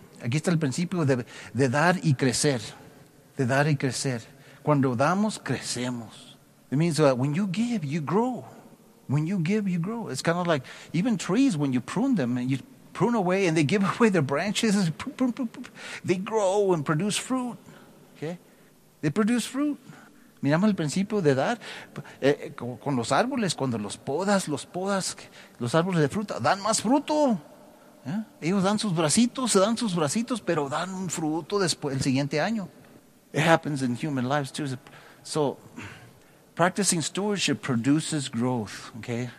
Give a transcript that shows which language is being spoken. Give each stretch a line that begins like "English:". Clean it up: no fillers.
Spanish: Aquí está el principio de dar y crecer. De dar y crecer. Cuando damos, crecemos.
English: It means that when you give, you grow. When you give, you grow. It's kind of like even trees, when you prune them, and you prune away and they give away their branches, they grow and produce fruit. They produce fruit.
Spanish: Miramos el principio de dar con los árboles, cuando los podas, los árboles de fruta dan más fruto. ¿Eh? Ellos dan sus bracitos, se dan sus bracitos, pero dan un fruto después el siguiente año.
English: It happens in human lives too. So practicing stewardship produces growth. Okay?